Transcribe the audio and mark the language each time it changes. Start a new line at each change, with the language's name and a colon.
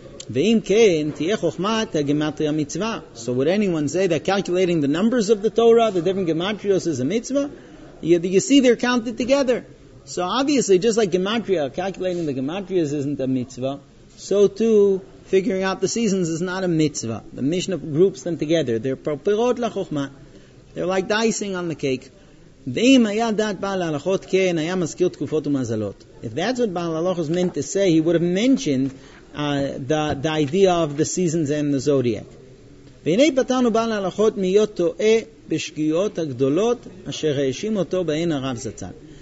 Hebrew: Ve'im ken tiyeh chokhmat ha-gematria mitzvah.
English: So would anyone say that calculating the numbers of the Torah, the different gematrios, is a mitzvah? You see they're counted together. So obviously, just like gematria, calculating the gematrios isn't a mitzvah, so too, figuring out the seasons is not a mitzvah. The Mishnah groups them together. They're
Hebrew: perot la-chokhmat.
English: They're like the icing on the cake.
Hebrew: ואם היה דעת בעל ההלכות כן, היה מזכיר תקופות ומזלות.
English: If that's what בעל ההלכות meant to say, he would have mentioned the idea of the seasons and the zodiac.
Hebrew: והנה פתרנו בעל ההלכות מיות טועה בשגיאות הגדולות אשר האשים אותו בהן הרב זצ"ל.